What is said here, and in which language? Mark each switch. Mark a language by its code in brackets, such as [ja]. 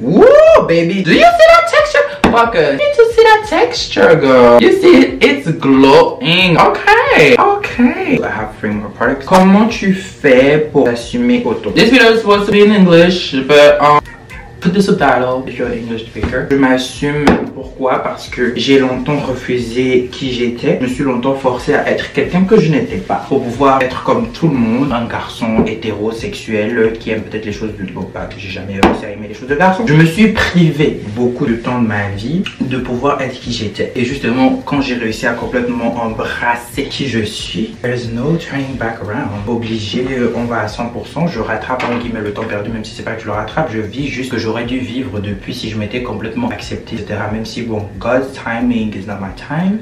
[en] Woo, baby, do you see that texture? Fuckers, you need to see that texture, girl. You see it? It's glowing. Okay, okay. I have three more products. [fr] Comment tu fais pour assumer auto? [en] This video is supposed to be in English, but put the subtitle if you're an English speaker. [fr] Je m'assume. Pourquoi? Parce que j'ai longtemps refusé qui j'étais. Je me suis longtemps forcé à être quelqu'un que je n'étais pas. Pour pouvoir être comme tout le monde, un garçon hétérosexuel qui aime peut-être les choses de beau pas, que j'ai jamais réussi à aimer les choses de garçon. Je me suis privé beaucoup de temps de ma vie de pouvoir être qui j'étais. Et justement, quand j'ai réussi à complètement embrasser qui je suis, [en] there's no turning back around. [fr] Obligé, on va à 100%, je rattrape en guillemets le temps perdu, même si c'est pas que je le rattrape, je vis juste ce que j'aurais dû vivre depuis si je m'étais complètement accepté, etc. Même si, bon, [en] God's timing is not my time.